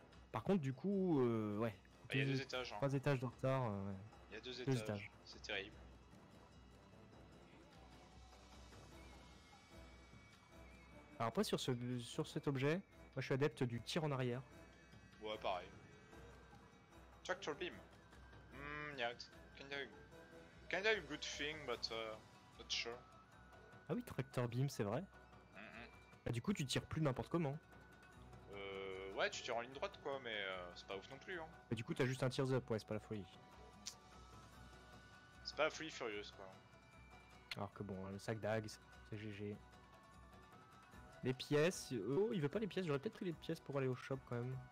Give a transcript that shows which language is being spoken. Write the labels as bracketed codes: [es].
[fr] Par contre, du coup, ouais. Il y a deux étages. Trois hein. étages de retard. Il ouais. y a deux étages. C'est terrible. Alors, après, sur cet objet. Moi je suis adepte du tir en arrière. Ouais pareil. Tractor beam. [en] Yeah, kinda a good thing but not sure. [fr] Ah oui, tractor beam c'est vrai. Mm-hmm. Bah du coup tu tires plus n'importe comment. Ouais tu tires en ligne droite quoi mais c'est pas ouf non plus hein. Bah du coup t'as juste un tears up, ouais c'est pas la folie. C'est pas la folie furieuse quoi. Alors que bon, le sac d'ag c'est GG. Les pièces, oh il veut pas les pièces, j'aurais peut-être pris les pièces pour aller au shop quand même.